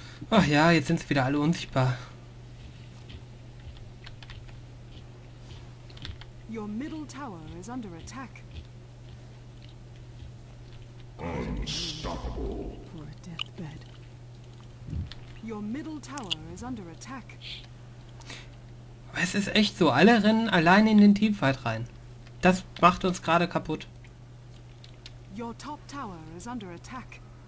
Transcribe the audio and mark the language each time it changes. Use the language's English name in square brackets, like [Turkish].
[German] Ach ja, jetzt sind sie wieder alle unsichtbar. [English] Your middle tower is under attack. Unstoppable. Poor deathbed. Your middle tower is under attack. [German] Aber es ist echt so, alle rennen allein in den Teamfight rein. Das macht uns gerade kaputt. [English] Your top tower is under attack.